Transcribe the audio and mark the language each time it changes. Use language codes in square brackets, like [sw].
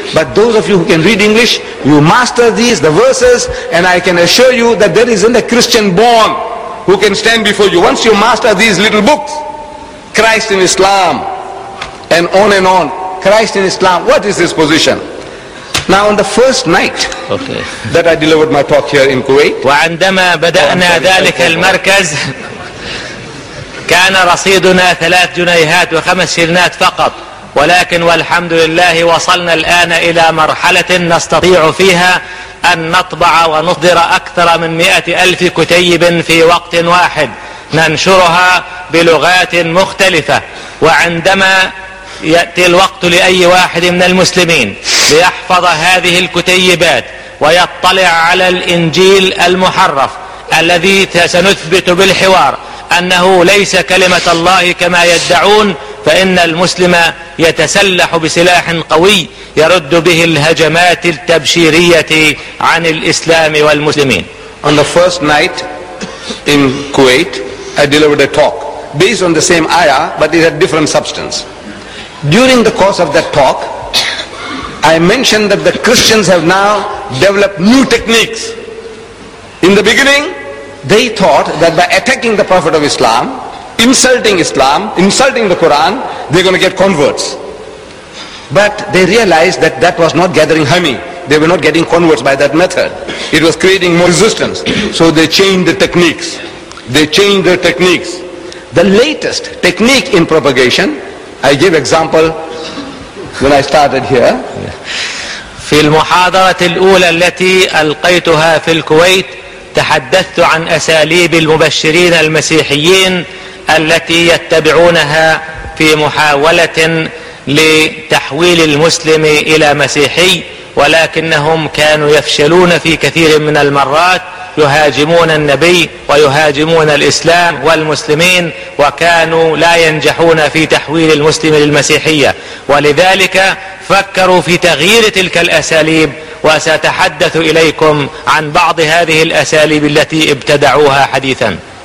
[en] But those of you who can read English, you master these, the verses, and I can assure you that there isn't a Christian born who can stand before you. Once you master these little books, Christ in Islam, and on, Christ in Islam, what is this position? Now on the first night that I delivered my talk here in Kuwait, [ar] وعندما بدأنا ذلك المركز كان رصيدنا 3 جنيهات و5 شلنات فقط ولكن والحمد لله وصلنا الآن إلى مرحلة نستطيع فيها أن نطبع ونصدر أكثر من 100,000 كتيب في وقت واحد ننشرها بلغات مختلفة وعندما يأتي الوقت لأي واحد من المسلمين ليحفظ هذه الكتيبات ويطلع على الإنجيل المحرف الذي سنثبت بالحوار أنه ليس كلمة الله كما يدعون فإن المسلم يتسلح بسلاح قوي يرد به الهجمات التبشيرية عن الإسلام والمسلمين. [en] On the first night in Kuwait, I delivered a talk based on the same ayah, but it had different substance. During the course of that talk, I mentioned that the Christians have now developed new techniques. In the beginning, they thought that by attacking the Prophet of Islam, insulting Islam, insulting the Quran, they're going to get converts. But they realized that that was not gathering honey. They were not getting converts by that method. It was creating more resistance. So they changed the techniques. The latest technique in propagation, I gave example when I started here. [ar] في المحاضرة الأولى التي ألقيتها في الكويت تحدثت عن أساليب المبشرين المسيحيين التي يتبعونها في محاولة لتحويل المسلم إلى مسيحي ولكنهم كانوا يفشلون في كثير من المرات يهاجمون النبي ويهاجمون الإسلام والمسلمين وكانوا لا ينجحون في تحويل المسلم للمسيحية ولذلك فكروا في تغيير تلك الأساليب وسأتحدث إليكم عن بعض هذه الأساليب التي ابتدعوها حديثا.